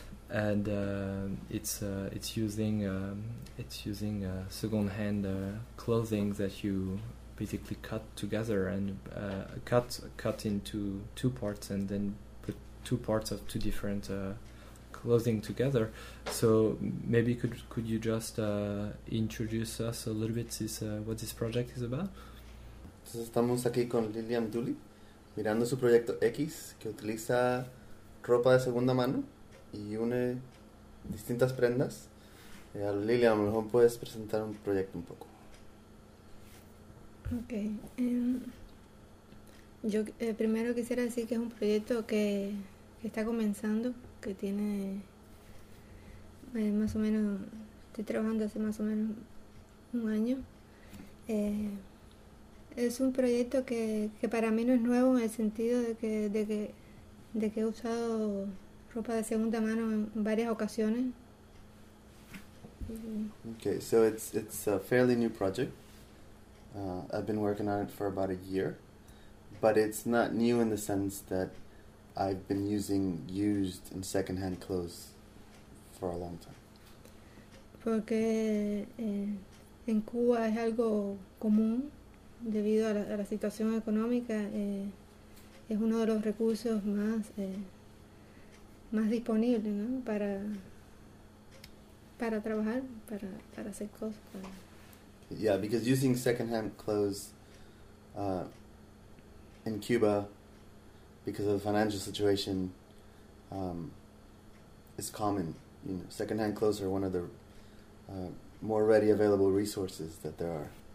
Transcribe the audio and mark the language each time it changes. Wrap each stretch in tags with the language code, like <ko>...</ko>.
<en>And it's using second-hand clothing that you basically cut together and cut into two parts, and then put two parts of two different clothing together. So maybe could you just introduce us a little bit this what this project is about?</en> <es>Entonces estamos aquí con LILIAM DOOLEY mirando su proyecto X, que utiliza ropa de segunda mano y une distintas prendas. LILIAM, a lo mejor puedes presentar un proyecto un poco.</es> <en>Okay.</en> <es>Yo primero quisiera decir que es un proyecto que está comenzando, que tiene más o menos, estoy trabajando hace más o menos un año. Es un proyecto que para mí no es nuevo, en el sentido de que he usado ropa de segunda mano en varias ocasiones.</es> <en>Okay, so it's a fairly new project. I've been working on it for about a year, but it's not new in the sense that I've been using used and secondhand clothes for a long time.</en> <es>Porque en Cuba es algo común debido a la situación económica, es uno de los recursos más disponible, ¿no? para trabajar, para hacer cosas.</es> <en>Yeah, because using secondhand clothes in Cuba, because of the financial situation, is common. You know, secondhand clothes are one of the more ready available resources that there are.</en>